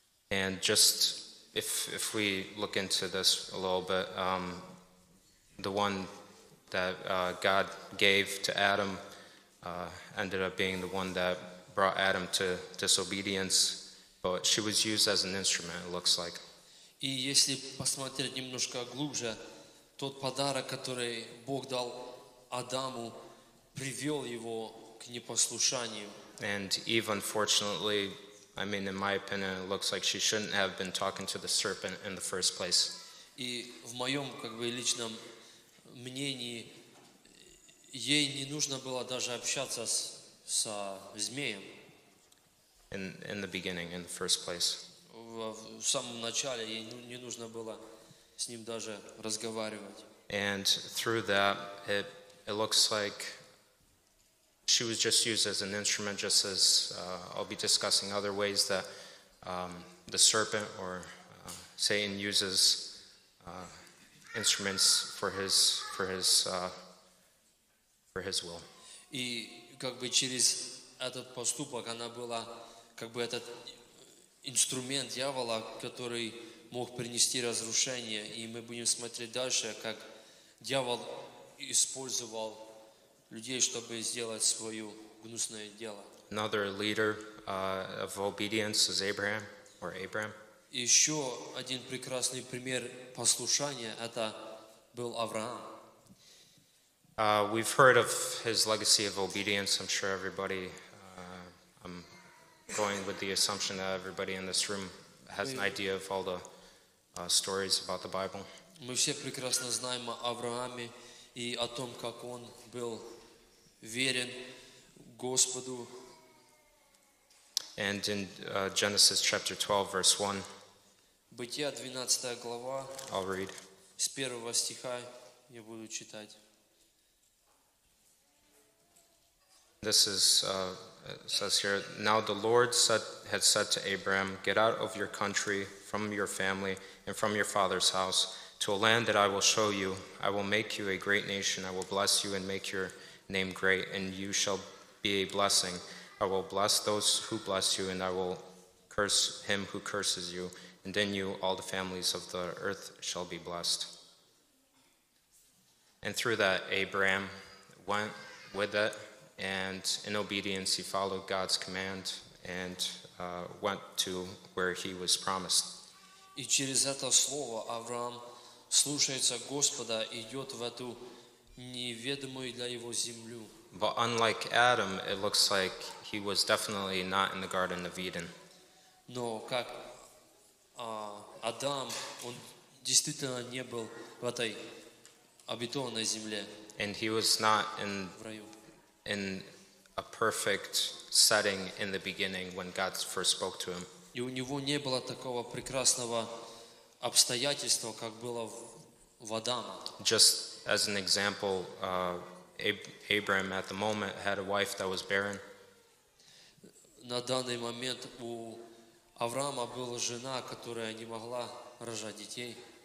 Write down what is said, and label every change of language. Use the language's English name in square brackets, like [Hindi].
[English] And just if we look into this a little bit, the one that God gave to Adam ended up being the one that brought Adam to disobedience, but she was used as an instrument, it looks like. [Russian] И если посмотреть немножко глубже, тот подарок, который Бог дал Адаму, привел его к непослушанию. [English] And Eve, unfortunately, I mean, in my opinion, it looks like she shouldn't have been talking to the serpent in the first place. [Russian] И в моем, как бы, личном мнении, ей не нужно было даже общаться со змеем. [English] In the beginning, in the first place. [Russian] В самом начале ей не нужно было с ним даже разговаривать. [English] And through that, it looks like she was just used as an instrument, just as I'll be discussing other ways that the serpent or Satan uses instruments for his will. [Russian] И как бы через этот поступок она была как бы этот инструмент дьявола, который мог принести разрушение, и мы будем смотреть дальше, как дьявол использовал людей, чтобы сделать свое гнусное дело. [English] Another leader of obedience is Abraham or Abram. [Russian] Еще один прекрасный пример послушания это был Авраам. [English] We've heard of his legacy of obedience. I'm sure everybody, I'm going with the assumption that everybody in this room has an idea of all the stories about the Bible. [Russian] Мы все прекрасно знаем о Аврааме и о том, как он был верен Господу. [English] And in Genesis chapter 12, verse 1. [Russian] Бытие, 12 глава. [English] I'll read. [Russian] С первого стиха я буду читать. [English] This is, says here, Now the Lord had said to Abraham, Get out of your country, from your family, and from your father's house, to a land that I will show you. I will make you a great nation. I will bless you and make your name great, and you shall be a blessing. I will bless those who bless you, and I will curse him who curses you. And in you all the families of the earth shall be blessed. And through that, Abraham went with it, and in obedience he followed God's command and went to where he was promised. [Russian] И через это слово Авраам слушается Господа и идет в эту неведомую для его землю. [English] But unlike Adam, it looks like he was definitely not in the Garden of Eden. [Russian] Но как Адам, он действительно не был в этой обетованной земле. [English] And he was not in a perfect setting in the beginning when God first spoke to him. [Russian] И у него не было такого прекрасного обстоятельства, как было в Адама. [English] Just as an example, Abraham at the moment had a wife that was barren. [Russian] На данный момент у Авраама была жена, которая не могла рожать детей.